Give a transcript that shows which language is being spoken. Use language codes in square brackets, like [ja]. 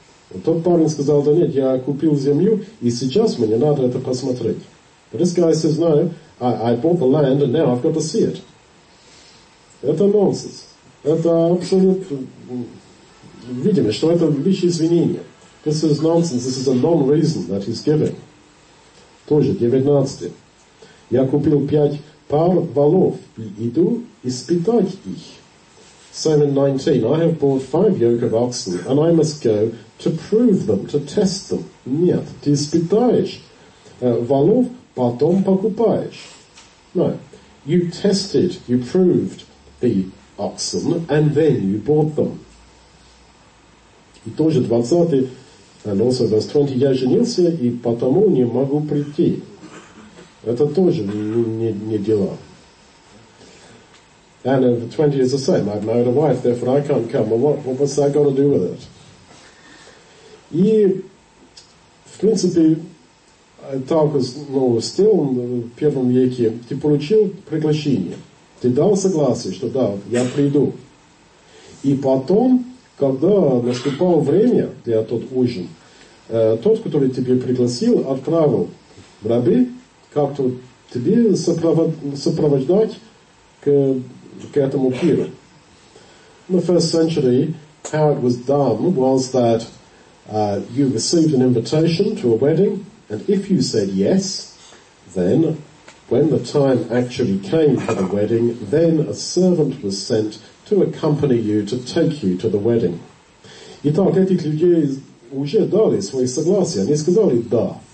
[ru] Вот тот парень сказал, да нет, я купил землю, и сейчас мне надо это посмотреть. [en] But this guy says, no, I bought the land and now I've got to see it. [ru] Это нонсенс. Это абсолютно... Видимо, что это лишь извинение. [en] This is nonsense. This is a non-reason that he's giving. [ru] Тоже, 19. Я купил 5 пар валов и иду испытать их. [en] Psalm 19. I have bought 5 yoke of oxen and I must go to prove them, to test them. [ru] Нет, ты испытаешь валов, потом покупаешь. [en] No. You tested, you proved the oxen, and then you bought them. [ru] И тоже 20, [en] and also verse 20, [ru] я женился, и потому не могу прийти. Это тоже не дела. [en] And the 20 is the same, I've married a wife, therefore I can't come. Well, what's that got to do with it? [ru] И, в принципе, так, ну, [en] still, [ru] в первом веке, ты получил приглашение. Ты дал согласие, что да, я приду. И потом, когда наступало время для тот ужин, тот, который тебе пригласил, отправил в рабы, как-то тебе сопровождать к этому пиру. [en] In the first century, how it was done was that you received an invitation to a wedding, and if you said yes, then... When the time actually came for the wedding, then a servant was sent to accompany you, to take you to the wedding. [ru] Итак, этих людей уже дали свои согласия. Они сказали «да».